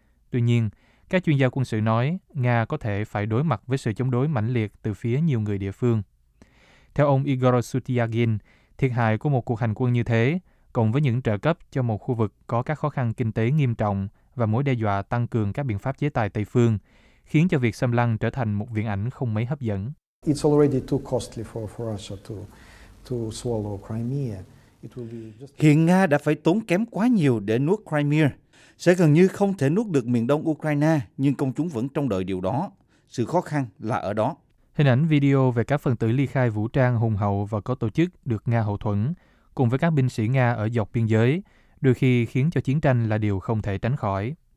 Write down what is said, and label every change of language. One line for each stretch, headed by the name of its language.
Vietnamese: Tuy nhiên, các chuyên gia quân sự nói Nga có thể phải đối mặt với sự chống đối mãnh liệt từ phía nhiều người địa phương. Theo ông Igor Sutyagin, thiệt hại của một cuộc hành quân như thế, cộng với những trợ cấp cho một khu vực có các khó khăn kinh tế nghiêm trọng và mối đe dọa tăng cường các biện pháp chế tài Tây Phương, khiến cho việc xâm lăng trở thành một viễn ảnh không mấy hấp dẫn.
English: It's already too costly for Russia to swallow Crimea. It will be just...
Vietnamese: Hiện Nga đã phải tốn kém quá nhiều để nuốt Crimea. Sẽ gần như không thể nuốt được miền đông Ukraine, nhưng công chúng vẫn trông đợi điều đó. Sự khó khăn là ở đó. Hình ảnh video về các phần tử ly khai vũ trang hùng hậu và có tổ chức được Nga hậu thuẫn, cùng với các binh sĩ Nga ở dọc biên giới, đôi khi khiến cho chiến tranh là điều không thể tránh khỏi.